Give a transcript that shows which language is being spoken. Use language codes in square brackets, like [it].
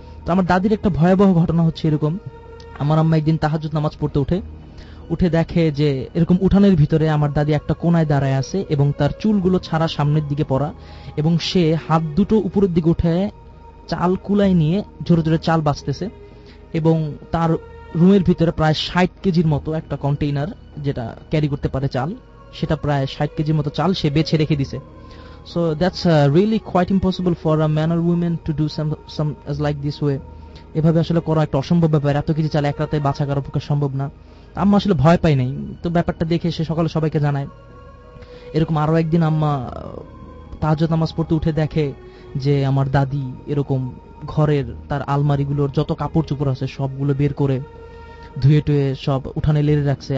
[bn] তো আমার দাদির একটা ভয়াবহ ঘটনা হচ্ছে এরকম, আমার আম্মা একদিন তাহাজ্জুদ নামাজ পড়তে উঠে উঠে দেখে যে এরকম উঠানের ভিতরে আমার দাদি একটা কোনায় দাঁড়ায় আছে এবং তার চুলগুলো ছাড়া সামনের দিকে পড়া, এবং সে হাত দুটো উপরের দিকে উঠে চাল কুলায় নিয়ে জোরে জোরে চাল বাঁচতেছে, এবং তার রুমের ভিতরে প্রায় 60 কেজির মতো একটা কন্টেইনার যেটা ক্যারি করতে পারে চাল, সেটা প্রায় 60 কেজির মতো চাল সে বেছে রেখে দিছে। [en] So that's really quite impossible for a man or woman to do some as like this way. [bn] এভাবে আসলে করা একটা অসম্ভব ব্যাপার, এত কিছু চালে একরাতে বাঁচা করার পক্ষে সম্ভব না। আম্মা আসলে ভয় পায় নাই, তো ব্যাপারটা দেখে সে সকালে সবাইকে জানায়। এরকম আরও একদিন আম্মা তাহাজ্জুদ নামাজ পড়তে উঠে দেখে যে আমার দাদি এরকম ঘরের তার আলমারিগুলোর যত কাপড় চোপড় আছে সবগুলো বের করে ধুয়ে টুয়ে সব উঠানে লেড়ে রাখছে।